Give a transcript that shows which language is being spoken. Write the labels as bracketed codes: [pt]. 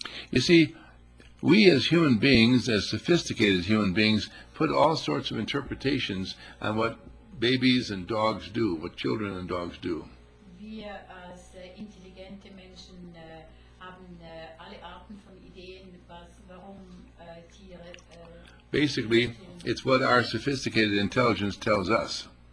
[en] You see, we as human beings, as sophisticated human beings, put all sorts of interpretations on what babies and dogs do, what children and dogs do. [de] Wir als intelligente Menschen haben alle Arten von Ideen, warum Tiere. [en] Basically, it's what our sophisticated intelligence tells us.